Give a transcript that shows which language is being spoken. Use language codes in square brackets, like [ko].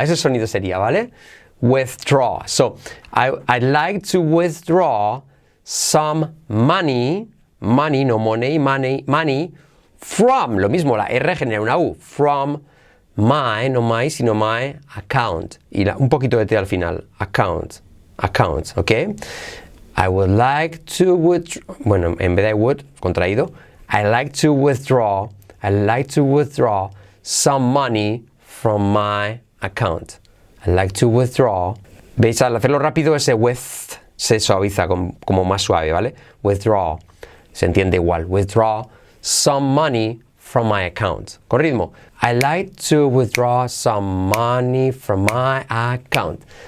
[es] Ese sonido sería, ¿vale? [en] Withdraw. So, I'd like to withdraw some money, money, no money, money, money, from, [es] lo mismo, la R genera una U, [en] from my, no my, sino my account. [es] Y un poquito de T al final, account, ¿ok? [en] I would like to withdraw, [es] bueno, en vez de [en] I would, [es] contraído, [en] I'd like to withdraw I'd like to withdraw some money from my account. I'd like to withdraw. [es] ¿Veis? Al hacerlo rápido, ese with se suaviza como más suave, ¿vale? Withdraw. Se entiende igual. [en] Withdraw some money from my account. [es] Con ritmo. [en] I'd like to withdraw some money from my account.